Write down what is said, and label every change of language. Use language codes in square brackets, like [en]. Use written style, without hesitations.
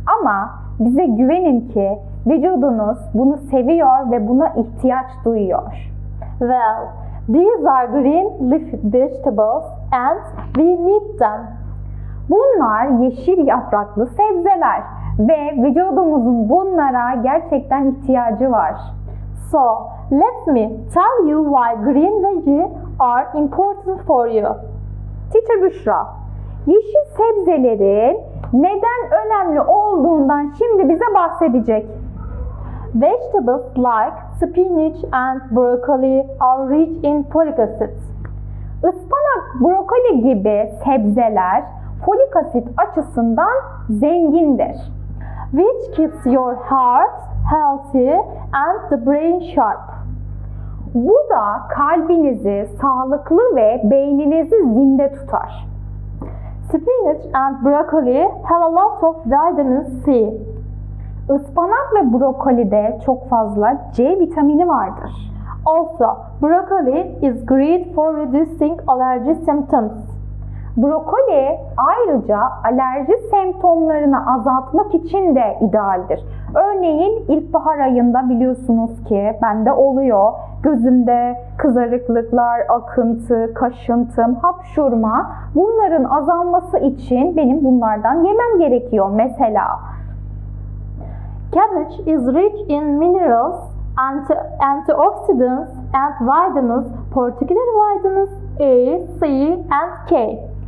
[tr] Ama bize güvenin ki vücudunuz bunu seviyor ve buna ihtiyaç duyuyor. [en] Well, these are green leafy vegetables and we need them. [tr] Bunlar yeşil yapraklı sebzeler ve vücudumuzun bunlara gerçekten ihtiyacı var. [en] So, let me tell you why green veggies are important for you. [tr] Teacher Büşra, yeşil sebzelerin neden önemli olduğundan şimdi bize bahsedecek. [en] Vegetables like spinach and broccoli are rich in folic acid. [tr] Ispanak, brokoli gibi sebzeler folik asit açısından zengindir. [en] Which keeps your heart healthy and the brain sharp. [tr] Bu da kalbinizi sağlıklı ve beyninizi zinde tutar. [en] Spinach and broccoli have a lot of vitamin C. [tr] Ispanak ve brokolide çok fazla C vitamini vardır. [en] Also, broccoli is great for reducing allergy symptoms. [tr] Brokoli ayrıca alerji semptomlarını azaltmak için de idealdir. Örneğin ilkbahar ayında biliyorsunuz ki bende oluyor. Gözümde kızarıklıklar, akıntı, kaşıntım, hapşurma, bunların azalması için benim bunlardan yemem gerekiyor mesela. [en] Cabbage is rich in minerals, antioxidants and vitamins, particularly vitamins A, C and K.